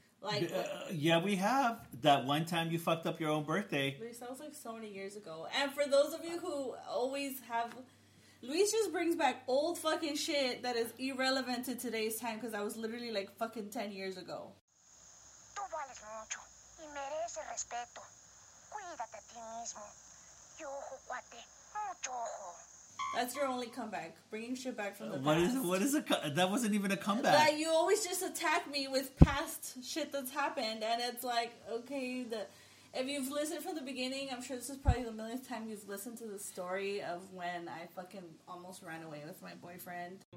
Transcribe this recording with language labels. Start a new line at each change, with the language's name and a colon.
English: Like, We have. That one time you fucked up your own birthday. Luis, that was like so many years ago. And for those of you who always have, Luis just brings back old fucking shit that is irrelevant to today's time because I was literally like fucking 10 years ago.
Spanish: Tú vales mucho y mereces respeto. Cuídate a ti mismo. Y ojo, cuate. Mucho ojo.
English: That's your only comeback. Bringing shit back from the past. That wasn't even a comeback. Like, you always just attack me with past shit that's happened, and it's like, okay, if you've listened from the beginning, I'm sure this is probably the millionth time you've listened to the story of when I fucking almost ran away with my boyfriend.